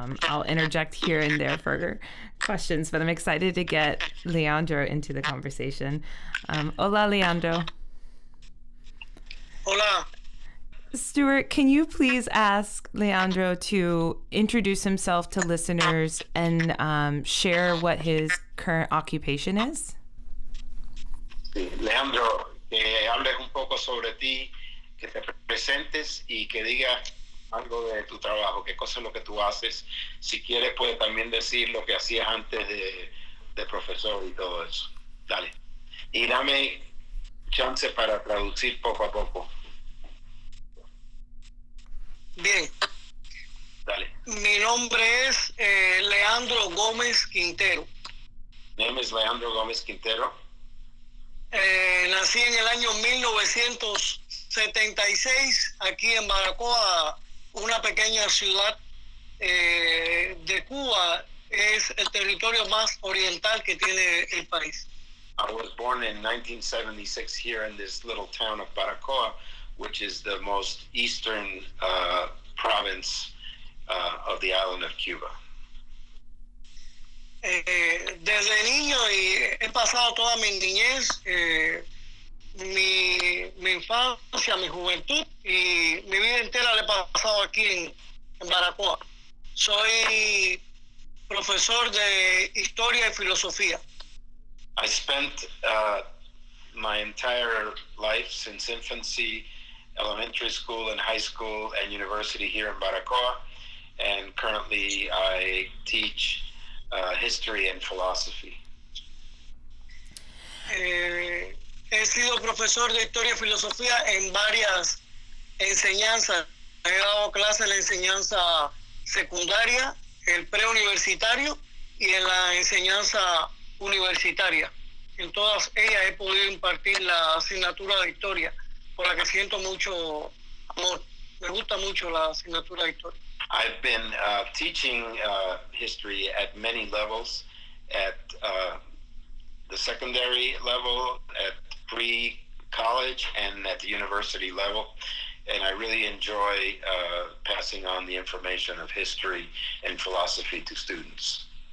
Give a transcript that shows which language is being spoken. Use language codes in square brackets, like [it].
[en] I'll interject here and there for questions, but I'm excited to get Leandro into the conversation. [es] Hola, Leandro. Hola. [en] Stuart, can you please ask Leandro to introduce himself to listeners and share what his current occupation is? [es] Leandro, que hables un poco sobre ti, que te presentes y que digas algo de tu trabajo, qué cosa es lo que tú haces. Si quieres, puedes también decir lo que hacías antes de profesor y todo eso. Dale. Y dame chance para traducir poco a poco. Bien, dale. Mi nombre es Leandro Gómez Quintero. [en] Name is Leandro Gómez Quintero. [es] Nací en el año 1976 aquí en Baracoa, una pequeña ciudad de Cuba. Es el territorio más oriental que tiene el país. [en] I was born in 1976 here in this little town of Baracoa, which is the most eastern province of the island of Cuba. [es] Desde niño y he pasado toda mi niñez, mi infancia, mi juventud y mi vida entera la he pasado aquí en Baracoa. Soy profesor de historia y filosofía. [en] I spent my entire life since infancy, elementary school and high school and university here in Baracoa, and currently I teach history and philosophy. [es] He sido profesor de historia y filosofía en varias enseñanzas. He dado clases en la enseñanza secundaria, el preuniversitario y en la enseñanza universitaria. En todas ellas he podido impartir la asignatura de historia, por la que siento mucho amor. Me gusta mucho la asignatura de historia. [en] I've been teaching history at many levels, at the secondary level, at pre-college, and at the university level. And I really enjoy passing on the information of history and philosophy to students.